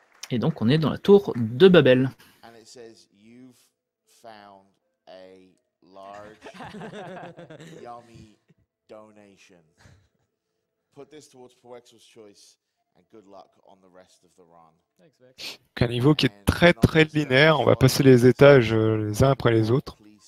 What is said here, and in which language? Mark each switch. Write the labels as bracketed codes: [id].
[fr] Et donc on est dans la tour de Babel. [en] And it says you've found a large yummy donation. Put this towards Poexel's choice and good luck on the rest of the run. Thanks, Vex. [fr] Qu'un niveau qui est très très linéaire, on va passer les étages les uns après les autres.